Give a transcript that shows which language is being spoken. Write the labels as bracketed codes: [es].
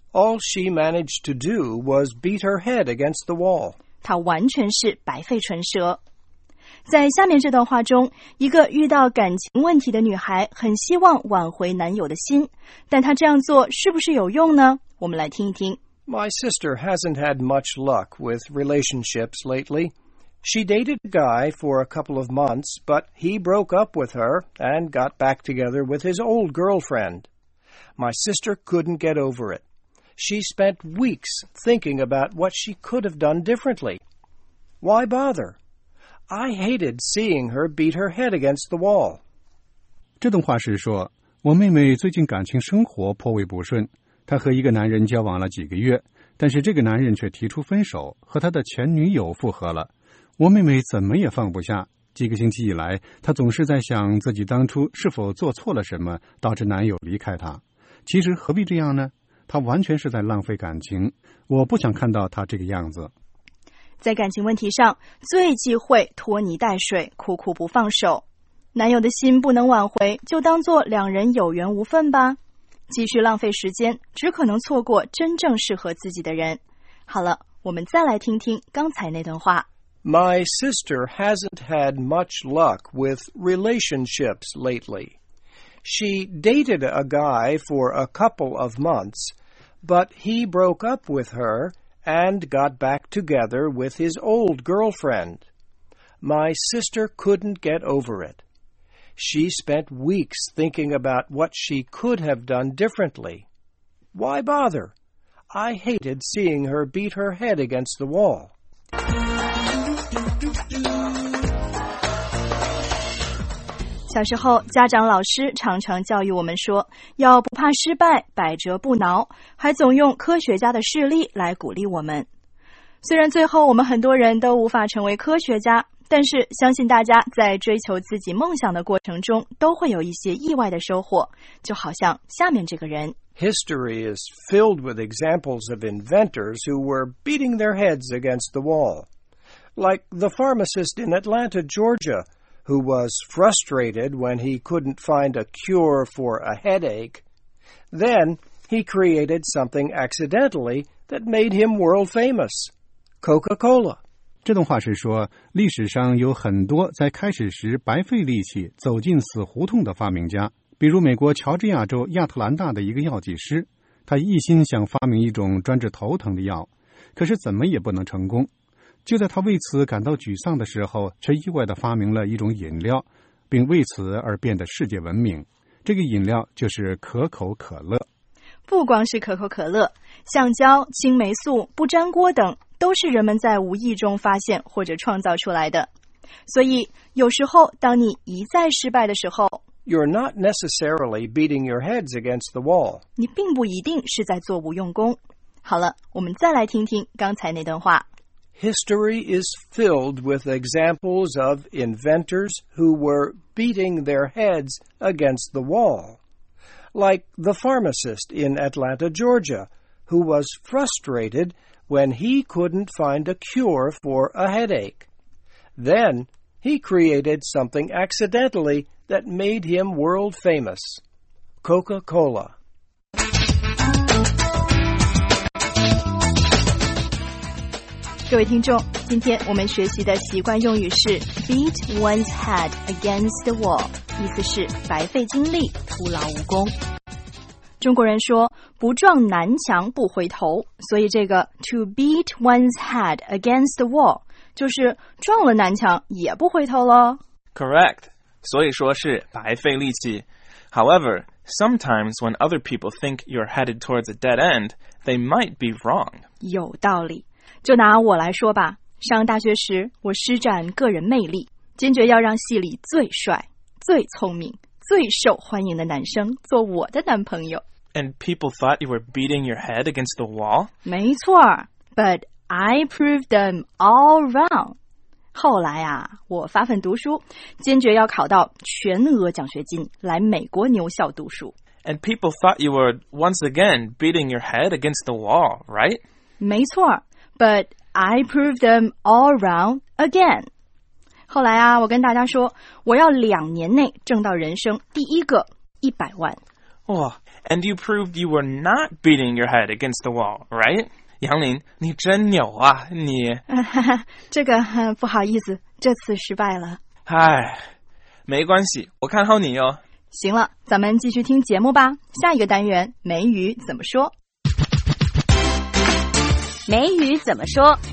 [en] All she managed to do was beat her head against the wall. [zh] 她完全是白费唇舌。在下面这段话中，一个遇到感情问题的女孩很希望挽回男友的心，但她这样做是不是有用呢？我们来听一听。 [en] My sister hasn't had much luck with relationships lately. She dated a guy for a couple of months, but he broke up with her and got back together with his old girlfriend. My sister couldn't get over it. She spent weeks thinking about what she could have done differently. Why bother? I hated seeing her beat her head against the wall. [zh] 这段话是说，我妹妹最近感情生活颇为不顺，她和一个男人交往了几个月，但是这个男人却提出分手，和她的前女友复合了。我妹妹怎么也放不下，几个星期以来，她总是在想自己当初是否做错了什么，导致男友离开她。其实何必这样呢？她完全是在浪费感情，我不想看到她这个样子。在感情问题上，最忌讳拖泥带水，苦苦不放手。男友的心不能挽回，就当做两人有缘无分吧。继续浪费时间，只可能错过真正适合自己的人。好了，我们再来听听刚才那段话。 [en] My sister hasn't had much luck with relationships lately. She dated a guy for a couple of months, but he broke up with her. And got back together with his old girlfriend. My sister couldn't get over it. She spent weeks thinking about what she could have done differently. Why bother? I hated seeing her beat her head against the wall. [zh] 小时候，家长老师常常教育我们说，要不怕失败，百折不挠，还总用科学家的事例来鼓励我们。虽然最后我们很多人都无法成为科学家，但是相信大家在追求自己梦想的过程中都会有一些意外的收获，就好像下面这个人。 [en] History is filled with examples of inventors who were beating their heads against the wall. Like the pharmacist in Atlanta, Georgia,who was frustrated when he couldn't find a cure for a headache. Then he created something accidentally that made him world famous, Coca-Cola. [zh] 这段话是说，历史上有很多在开始时白费力气走进死胡同的发明家，比如美国乔治亚州亚特兰大的一个药剂师，他一心想发明一种专治头疼的药，可是怎么也不能成功。就在他为此感到沮丧的时候，却意外地发明了一种饮料，并为此而变得世界闻名。这个饮料就是可口可乐。不光是可口可乐，橡胶、青霉素、不粘锅等都是人们在无意中发现或者创造出来的。所以，有时候当你一再失败的时候， [en] You're not necessarily beating your heads against the wall. [zh] 你并不一定是在做无用功。好了，我们再来听听刚才那段话。 [en] History is filled with examples of inventors who were beating their heads against the wall. Like the pharmacist in Atlanta, Georgia, who was frustrated when he couldn't find a cure for a headache. Then he created something accidentally that made him world famous. Coca-Cola. [zh] 各位听众，今天我们学习的习惯用语是 [en] beat one's head against the wall， [zh] 意思是白费精力，徒劳无功。中国人说不撞南墙不回头，所以这个 [en] to beat one's head against the wall [zh] 就是撞了南墙也不回头咯。 [en] Correct， [zh] 所以说是白费力气。 [en] However, sometimes when other people think you're headed towards a dead end, they might be wrong. [zh] 有道理。就拿我来说吧，上大学时我施展个人魅力，坚决要让系里最帅、最聪明、最受欢迎的男生做我的男朋友。 [en] And people thought you were beating your head against the wall? [zh] 没错 [en] ,but I proved them all wrong. [zh] 后来啊，我发奋读书，坚决要考到全额奖学金，来美国牛校读书。 [en] And people thought you were once again beating your head against the wall, right? [zh] 没错 [en] ,but I proved them all wrong again. [zh] 后来啊，我跟大家说，我要两年内挣到人生第一个100万。 [en] 哇、And you proved you were not beating your head against the wall, right? [zh] 杨林，你真牛啊，你。这个，不好意思，这次失败了。唉，没关系，我看好你哟。行了，咱们继续听节目吧。下一个单元，梅雨怎么说？梅雨怎么说